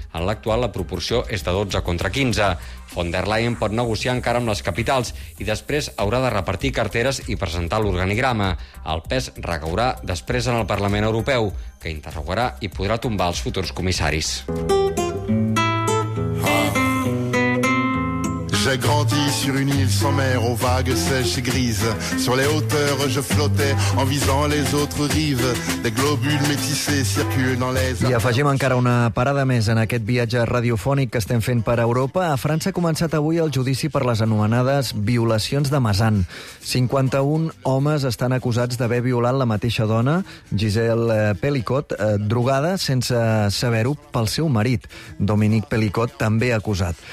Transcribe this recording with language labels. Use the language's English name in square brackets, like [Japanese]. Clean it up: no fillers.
[Catalan] En l'actual la proporció és de 12 contra 15. Von der Leyen pot negociar encara amb les capitals i després haurà de repartir carteres i presentar l'organigrama. El pes recaurà després en el Parlament Europeu, que interrogarà i podrà tombar els futurs comissaris. [French] J'ai grandi sur une île sans mer, aux vagues sèches et grises. Sur les hauteurs, je flottais en visant les autres rives. Des globules métissés circulent dans les... [Catalan] I afegim encara una parada més en aquest viatge radiofònic que estem fent per Europa. A França ha començat avui el judici per les anomenades violacions de Mazan. 51 homes estan acusats d'haver violat la mateixa dona, Gisèle Pelicot, drogada, sense saber-ho, pel seu marit, Dominique Pelicot, també acusat.